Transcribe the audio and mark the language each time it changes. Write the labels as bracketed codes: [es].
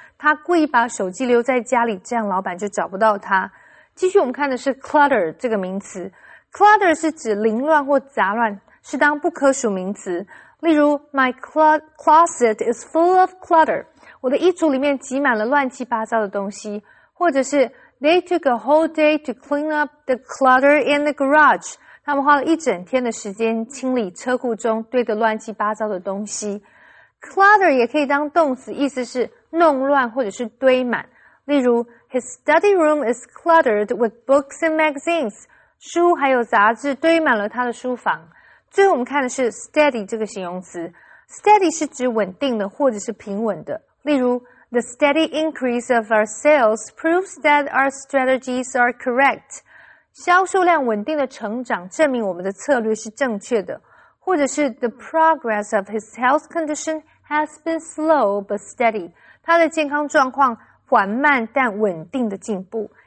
[zh] 她故意把手机留在家里，这样老板就找不到她。继续我们看的是 clutter 这个名词。clutter 是指凌乱或杂乱，是当不可数名词。例如 [en] ,my closet is full of clutter. [zh] 我的衣橱里面挤满了乱七八糟的东西。或者是 [en] ,they took a whole day to clean up the clutter in the garage. [zh] 他们花了一整天的时间清理车库中堆的乱七八糟的东西。 clutter 也可以当动词，意思是弄乱或者是堆满。例如 [en] ,his study room is cluttered with books and magazines. [zh] 书还有杂志堆满了他的书房。最后我们看的是 steady 这个形容词。steady 是指稳定的或者是平稳的。例如 [en] ,the steady increase of our sales proves that our strategies are correct. [zh] 销售量稳定的成长证明我们的策略是正确的。或者是 [en] ,the progress of his health condition has been slow but steady. [zh] 他的健康状况缓慢但稳定的进步。